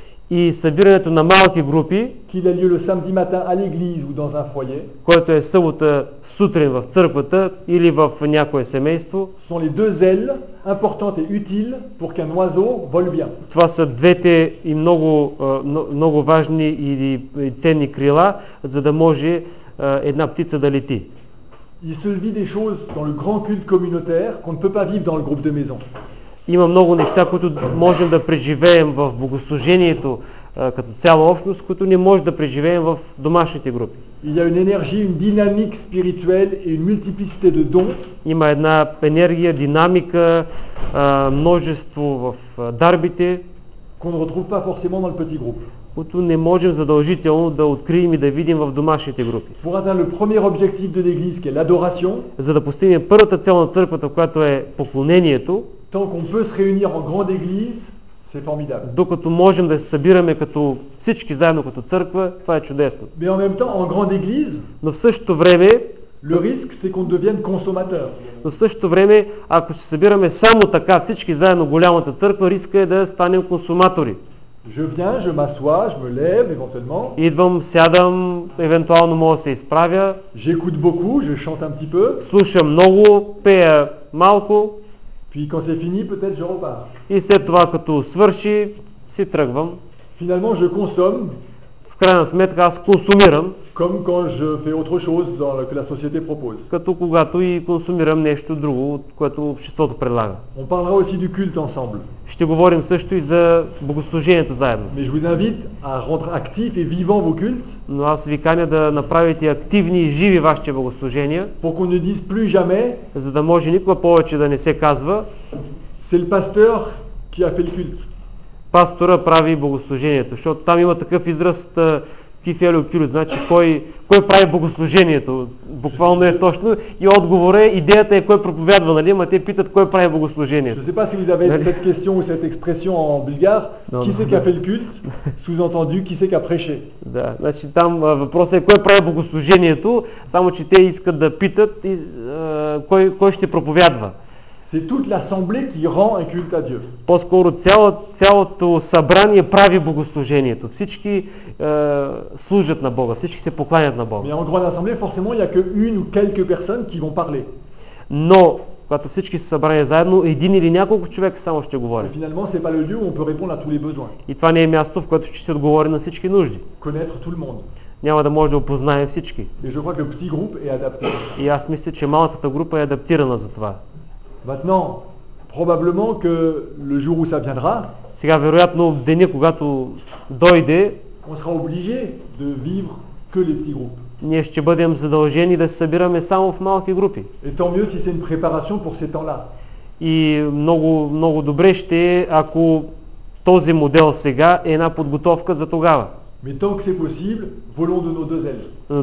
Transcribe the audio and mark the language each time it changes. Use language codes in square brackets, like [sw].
[bg] и събирането на малки групи, [fr] qu'il a lieu le samedi matin à l'église ou dans un foyer, [bg] което е събота сутрин в църквата или в някое семейство, [fr] sont les deux ailes importantes et utiles pour qu'un oiseau vole bien. [bg] Това са двете и много, много важни и ценни крила, за да може една птица да лети. [fr] Il se vit des choses dans le grand culte communautaire qu'on ne peut pas vivre dans le groupe de maison. [bg] има много неща, които можем да преживеем в богослужението като цяла общност, които не може да преживеем в домашните групи. [fr] Il y a une énergie, une dynamique spirituelle et une multiplicité de dons. [bg] Има една енергия, динамика, множество в дарбите, [fr] qu'on ne retrouve pas forcément dans le petit groupe. [bg] Които не можем задължително да открием и да видим в домашните групи. [fr] Pour atteindre le premier objectif de l'église qui est l'adoration. [bg] За да постигнем първата цел на църквата, която е поклонението. [fr] Tant qu'on peut se réunir en grande église, c'est formidable. [bg] Докато можем да се събираме като всички заедно като църква, това е чудесно. [fr] Mais en même temps, en grande église, [bg] но в същото време, [fr] le risque c'est qu'on devienne consommateur. [bg] Но в същото време, ако се събираме само така всички заедно голямата църква, риска е да станем консуматори. [fr] Je viens, je m'assois, je me lève éventuellement. [bg] Идвам, сядам, евентуално мога да се изправя. [fr] J'écoute beaucoup, je chante un petit peu. [bg] Слушам много, пея малко. [fr] Puis quand c'est fini, peut-être je repars. [bg] И след това като свърши, си тръгвам. [fr] Finalement, je consomme. [bg] В крайна сметка аз консумирам. [fr] Comme quand je fais autre chose dans que la société propose. [bg] Като когато и консумирам нещо друго, което обществото предлага. [fr] On parlera aussi du culte ensemble. [bg] Ще говорим също и за богослужението заедно. [fr] Mais je vous invite à rendre actif et vivant vos cultes. [bg] Но аз ви каня да направите активни и живи вашите богослужения. [fr] Pour qu'on ne dise plus jamais. [bg] За да може никога повече да не се казва. [fr] C'est le pasteur qui a fait le culte. [bg] Пастора прави богослужението, защото там има такъв израз. Значи кой прави богослужението? Буквално е точно. И отговор е, идеята е кой проповядва, нали? Ама те питат кой прави богослужението. [fr] Je sais pas si vous avez cette question ou cette expression en bulgare. Qui c'est qui a fait le culte? Sous-entendu, qui c'est qui a prêché? [bg] Да, значи там въпросът е кой прави богослужението, само че те искат да питат и, кой ще проповядва. [fr] C'est toute l'assemblée qui rend un culte à Dieu. [bg] По-скоро цялото събрание прави богослужението. Всички служат на Бога, всички се покланят на Бога. [fr] Mais en grande assemblée, forcément, il y a que une ou quelques personnes qui vont parler. [bg] Но когато всички са събрани заедно, един или няколко човека само ще говорят. [fr] Finalement, c'est pas le lieu où on peut répondre à tous les besoins. [bg] И това не е място, в което ще се отговори на всички нужди. [fr] Connaître tout le monde. [bg] Няма да може да опознаем всички. [fr] Et je crois que le petit groupe est adapté. [bg] И аз мисля, че малката група е адаптирана за това. [fr] Maintenant, probablement que le jour où ça viendra, [bg] сега вероятно деня, когато дойде, [fr] on sera obligé de vivre que les petits groupes. [bg] Ние ще бъдем задължени да се събираме само в малки групи. [fr] Et tant mieux si c'est une préparation pour ces temps-là. [bg] И много, много добре ще е, ако този модел сега е една подготовка за тогава. [fr] Mais tant que c'est possible, volons de nos deux ailes.